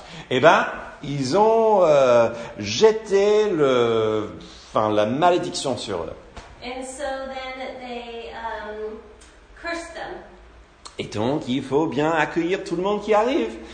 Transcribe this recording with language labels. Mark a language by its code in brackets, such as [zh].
[fr] Eh bien, ils ont jeté la malédiction sur eux. [en] And so then they, cursed them. [fr] Et donc, il faut bien accueillir tout le monde qui arrive.